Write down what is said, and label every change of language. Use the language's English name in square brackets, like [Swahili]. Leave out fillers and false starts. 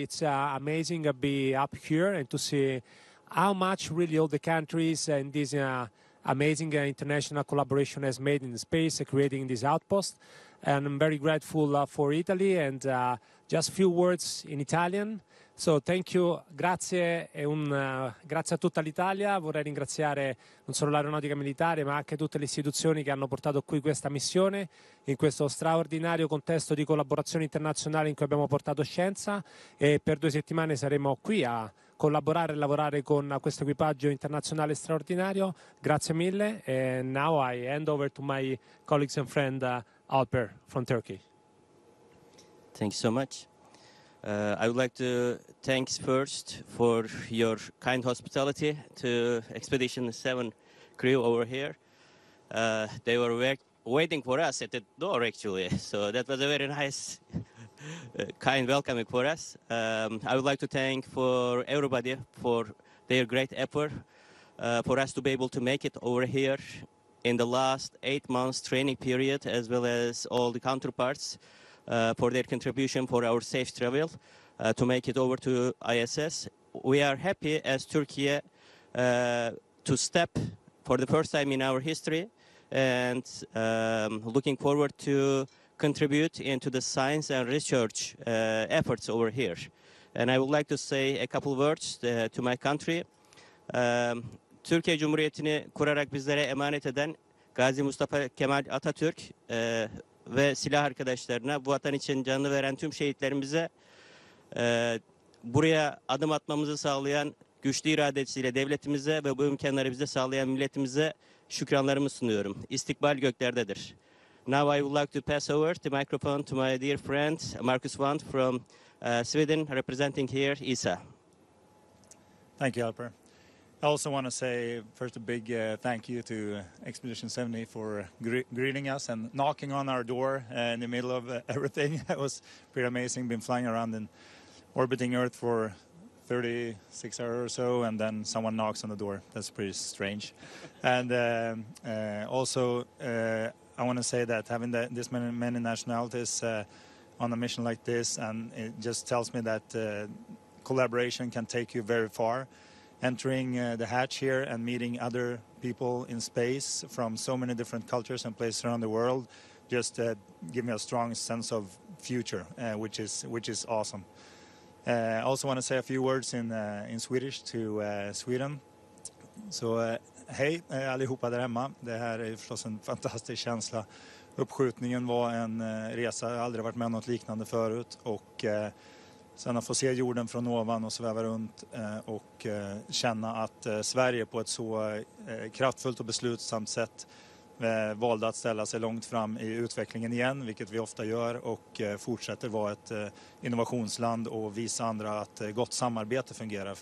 [English] It's amazing to be up here and to see how much really all the countries and this amazing international collaboration has made in space, creating this outpost. And I'm very grateful for Italy, and just a few words in Italian. So thank you, [Italian] grazie, e grazie a tutta l'Italia. Vorrei ringraziare non solo l'Aeronautica Militare, ma anche tutte le istituzioni che hanno portato qui questa missione, in questo straordinario contesto di collaborazione internazionale in cui abbiamo portato scienza. E per 2 settimane saremo qui a collaborare e lavorare con questo equipaggio internazionale straordinario. Grazie mille. [English] And now I hand over to my colleagues and friend Alper from Turkey. Thank you so much. I would like to thanks first for your kind hospitality to Expedition 7 crew over here. They were waiting for us at the door, actually. So that was a very nice, kind welcoming for us. I would like to thank for everybody for their great effort for us to be able to make it over here in the last 8 months training period, as well as all the counterparts for their contribution for our safe travel to make it over to ISS. We are happy as Turkey to step for the first time in our history, and looking forward to contribute into the science and research efforts over here. And I would like to say a couple words to my country. [Turkish] Türkiye Cumhuriyeti'ni kurarak bizlere emanet eden Gazi Mustafa Kemal Atatürk ve silah arkadaşlarına, bu vatan için canını veren tüm şehitlerimize, buraya adım atmamızı sağlayan güçlü iradesiyle devletimize ve bu imkanları bize sağlayan milletimize şükranlarımı sunuyorum. İstikbal göklerdedir. [English] Now I would like to pass over the microphone to my dear friend, Marcus Wandt from Sweden, representing here, ESA. Thank you, Alper. I also want to say first a big thank you to Expedition 70 for greeting us and knocking on our door in the middle of everything. That was pretty amazing. Been flying around and orbiting Earth for 36 hours or so, and then someone knocks on the door. That's pretty strange. And I want to say that having this many nationalities on a mission like this, and it just tells me that collaboration can take you very far. Entering the hatch here and meeting other people in space from so many different cultures and places around the world just give me a strong sense of future, which is awesome. I also want to say a few words in Swedish to Sweden. [Swedish] So, hej allihopa där hemma. Det här är förstås en fantastisk känsla. Uppskjutningen var en resa. Jag har aldrig varit med något liknande förut. Och sen att få se jorden från ovan och sväva runt och känna att Sverige på ett så kraftfullt och beslutsamt sätt valde att ställa sig långt fram i utvecklingen igen, vilket vi ofta gör, och fortsätter vara ett innovationsland och visa andra att gott samarbete fungerar.